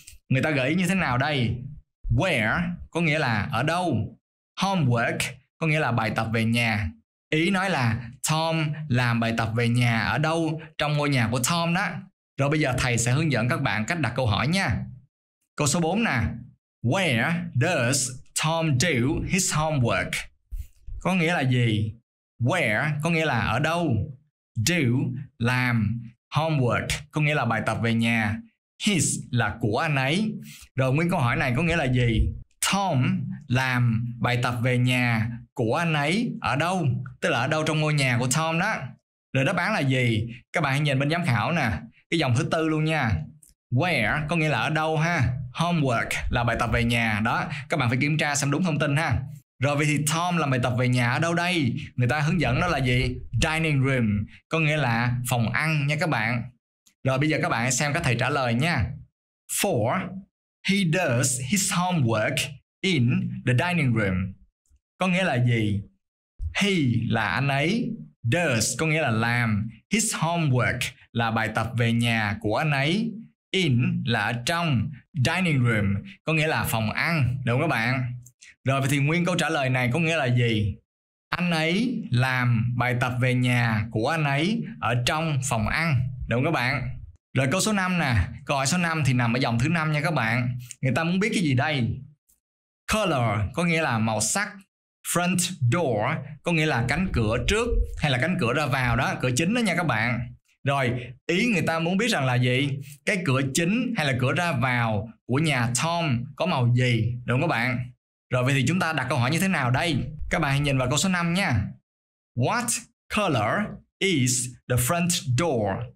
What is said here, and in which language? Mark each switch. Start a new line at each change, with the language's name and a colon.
Vietnamese: Người ta gợi ý như thế nào đây? Where có nghĩa là ở đâu. Homework có nghĩa là bài tập về nhà. Ý nói là Tom làm bài tập về nhà ở đâu trong ngôi nhà của Tom đó. Rồi bây giờ thầy sẽ hướng dẫn các bạn cách đặt câu hỏi nha. Câu số 4 nè.
English: Where does Tom do his homework?
Vietnamese: Có nghĩa là gì? Where có nghĩa là ở đâu. Do, làm. Homework có nghĩa là bài tập về nhà. His là của anh ấy. Rồi nguyên câu hỏi này có nghĩa là gì? Tom làm bài tập về nhà của anh ấy ở đâu? Tức là ở đâu trong ngôi nhà của Tom đó. Rồi đáp án là gì? Các bạn hãy nhìn bên giám khảo nè. Cái dòng thứ tư luôn nha. Where có nghĩa là ở đâu ha. Homework là bài tập về nhà đó. Các bạn phải kiểm tra xem đúng thông tin ha. Rồi vậy thì Tom làm bài tập về nhà ở đâu đây? Người ta hướng dẫn đó là gì? Dining room có nghĩa là phòng ăn nha các bạn. Rồi bây giờ các bạn hãy xem các thầy trả lời nha. 4.
English: He does his homework in the dining room.
Vietnamese: Có nghĩa là gì? He là anh ấy. Does có nghĩa là làm. His homework là bài tập về nhà của anh ấy. In là trong. Dining room có nghĩa là phòng ăn. Đúng các bạn? Rồi thì nguyên câu trả lời này có nghĩa là gì? Anh ấy làm bài tập về nhà của anh ấy ở trong phòng ăn. Đúng các bạn? Rồi câu số 5 nè. Câu hỏi số 5 thì nằm ở dòng thứ 5 nha các bạn. Người ta muốn biết cái gì đây? Color có nghĩa là màu sắc. Front door có nghĩa là cánh cửa trước hay là cánh cửa ra vào đó, cửa chính đó nha các bạn. Rồi, ý người ta muốn biết rằng là gì? Cái cửa chính hay là cửa ra vào của nhà Tom có màu gì? Đúng các bạn? Rồi vậy thì chúng ta đặt câu hỏi như thế nào đây? Các bạn hãy nhìn vào câu số 5 nha.
English: What color is the front door?